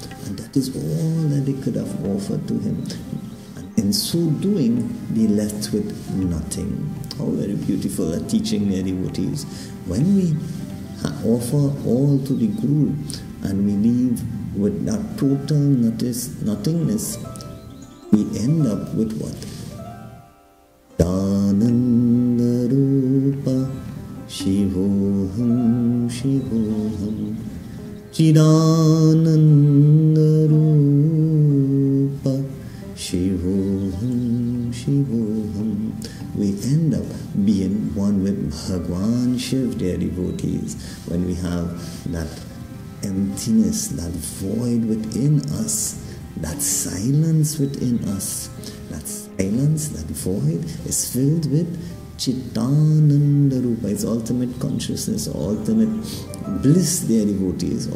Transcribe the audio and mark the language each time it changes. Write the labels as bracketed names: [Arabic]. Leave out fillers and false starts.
[English] And that is all that they could have offered to him. And in so doing, they left with nothing. How very beautiful a teaching, dear devotees. When we offer all to the Guru and we leave with that total nothingness, we end up with what? [Sanskrit] Dananda Rupa Shivoham Shivoham Chidananda Rupa Shivoham Shivoham. [English] We end up being one with Bhagwan Shiv, dear devotees, when we have that emptiness, that void within us, that silence within us, that silence, that void is filled with Chittananda Rupa, its ultimate consciousness, ultimate bliss, dear devotees.